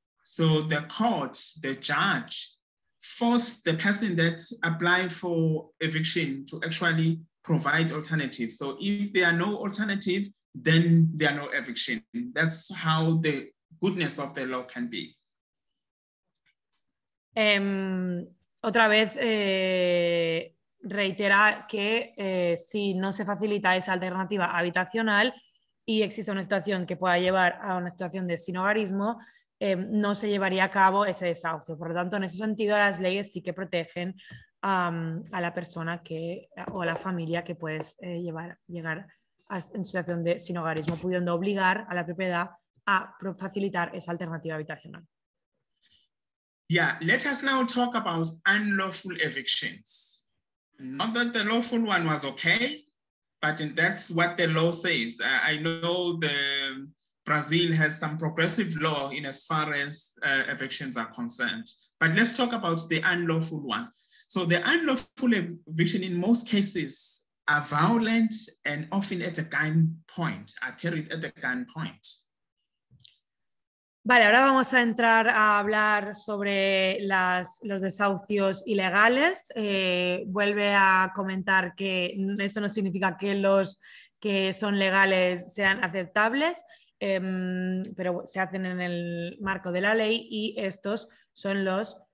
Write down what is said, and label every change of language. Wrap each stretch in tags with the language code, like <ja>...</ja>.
<en>So the court, the judge, force the person that apply for eviction to actually provide alternatives. So if there are no alternative, then there are no eviction. That's how the goodness of the law can be.</en> <es>Otra vez reitera que si no se facilita esa alternativa habitacional y existe una situación que pueda llevar a una situación de sinhogarismo, no se llevaría a cabo ese desahucio. Por lo tanto, en ese sentido, las leyes sí que protegen a la persona o a la familia que puedes llegar en situación de sinhogarismo, pudiendo obligar a la propiedad a facilitar esa alternativa habitacional.</es> <en>Yeah, let us now talk about unlawful evictions. Not that the lawful one was okay, but that's what the law says. I know Brazil has some progressive law in as far as evictions are concerned. But let's talk about the unlawful one. So the unlawful eviction in most cases are violent and often at a gunpoint, are carried at a gunpoint.</en> <es>Vale, ahora vamos a entrar a hablar sobre los desahucios ilegales. Vuelve a comentar que eso no significa que los que son legales sean aceptables, pero se hacen en el marco de la ley y estos son los...</es>